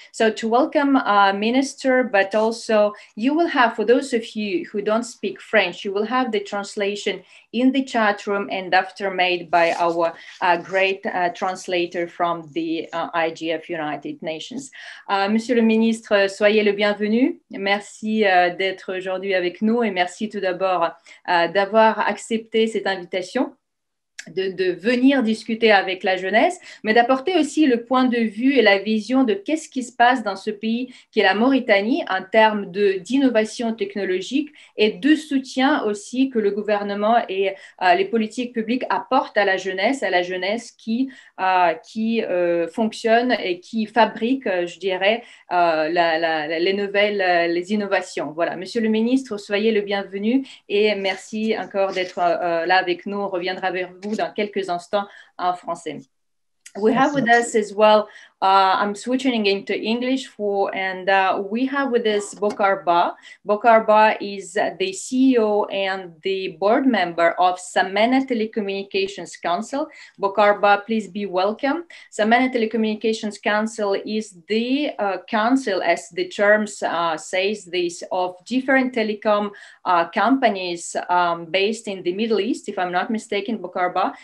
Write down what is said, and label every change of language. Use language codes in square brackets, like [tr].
[en] So to welcome Minister, but also you will have, for those of you who don't speak French, you will have the translation in the chat room and after made by our great translator from the IGF United Nations. [fr] Monsieur le Ministre, soyez le bienvenu. Merci d'être aujourd'hui avec nous et merci tout d'abord d'avoir accepté cette invitation. De venir discuter avec la jeunesse, mais d'apporter aussi le point de vue et la vision de qu'est-ce qui se passe dans ce pays qui est la Mauritanie en termes d'innovation technologique et de soutien aussi que le gouvernement et les politiques publiques apportent à la jeunesse qui fonctionne et qui fabrique, je dirais, les innovations. Voilà, Monsieur le Ministre, soyez le bienvenu et merci encore d'être là avec nous. On reviendra vers vous dans quelques instants en français. [en] We have with us as well, I'm switching into English we have with us Bokar Ba. Bokar Ba is the CEO and the board member of Samana Telecommunications Council. Bokar Ba, please be welcome. Samana Telecommunications Council is the council, as the terms says this, of different telecom companies based in the Middle East, if I'm not mistaken, Bokar Ba.